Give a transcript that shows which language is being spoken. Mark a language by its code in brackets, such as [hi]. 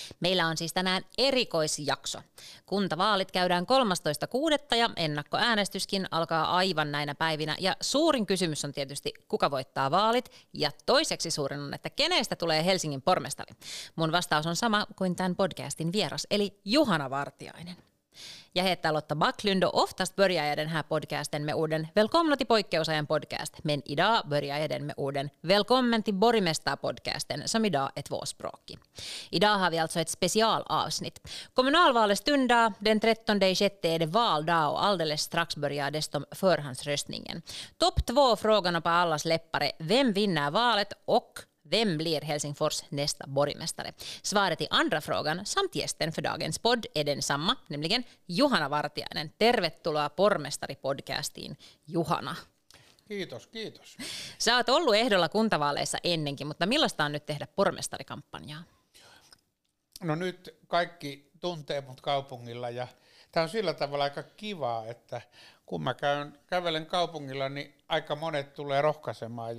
[fi] Meillä on siis tänään erikoisjakso. Kuntavaalit käydään 13.6. ja ennakkoäänestyskin alkaa aivan näinä päivinä ja suurin kysymys on tietysti kuka voittaa vaalit ja toiseksi suurin on, että kenestä tulee Helsingin pormestari. Mun vastaus on sama kuin tämän podcastin vieras eli Juhana Vartiainen. Ja hei, täällä [sv] Lotta Backlund och oftast börjar jag den här podcasten med orden välkomna till poikkeusajan podcast, men idag börjar jag den med orden välkommen till borgmästarpodcasten som idag är tvåspråkig. Idag har vi alltså ett specialavsnitt. Kommunalvalet stundar, den 13.6 är det valdag och alldeles strax börjar dessutom förhandsröstningen. Topp två frågorna på allas läppare, vem vinner valet och vem blir Helsingfors nästa borgmästare? Svaret i andra frågan samt gästen för dagens podd är densamma, nämligen Juhana Vartiainen. [fi] Tervetuloa pormestaripodcastiin, Juhana. Kiitos, kiitos. Sä oot ollut ehdolla kuntavaaleissa ennenkin, mutta millaista on nyt tehdä pormestarikampanjaa? No nyt kaikki tuntee mut kaupungilla ja tää on sillä tavalla aika kivaa, että kun mä kävelen kaupungilla, niin aika monet tulee rohkaisemaan.